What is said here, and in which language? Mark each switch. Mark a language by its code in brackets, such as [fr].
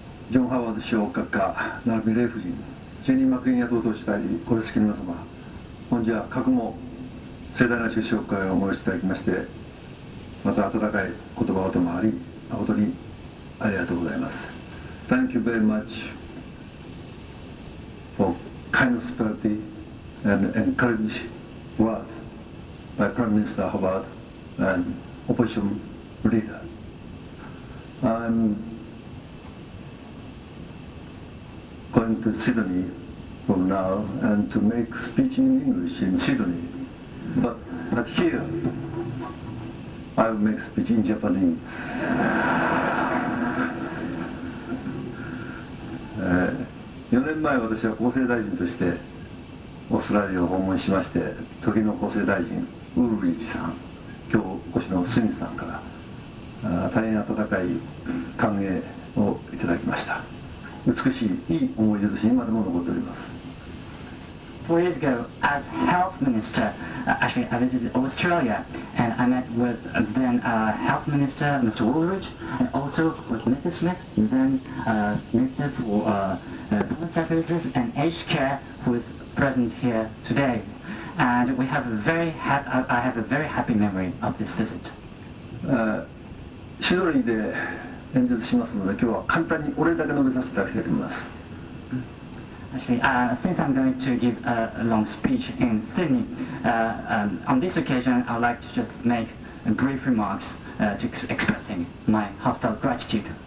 [ja] ジョン・ハワード首相閣下、並びレイ夫人、チェニー・マクイーン野党党主会議、コルスキー皆様、本日は閣も盛大な首相会をお申しいただきまして、また温かい言葉をともあり、誠にありがとうございます。 [en] Thank you very much for kind of sympathy and encourage words by Prime Minister Howard and opposition leader. I'm going to Sydney from now and to make speech in English in Sydney. But here, I will make speech in Japanese. [ja] 4年前、私は厚生大臣としてオーストラリアを訪問しまして、時の厚生大臣ウルリッチさん、今日お越しのスミスさんから大変温かい歓迎をいただきました。美しいいい思い出として今でも残っております。 [en] 4 years ago as health minister actually I visited Australia and I met with then health minister Mr. Woolridge and also with Mr. Smith then minister for public services and aged care who is present here today and we have a very I have a very happy memory of this visit. [ja] シドニーで演説しますので今日は簡単にお礼だけ述べさせていただきたいと思います。 [en] Actually, since I'm going to give a long speech in Sydney, on this occasion, I'd like to just make brief remarks to expressing my heartfelt gratitude.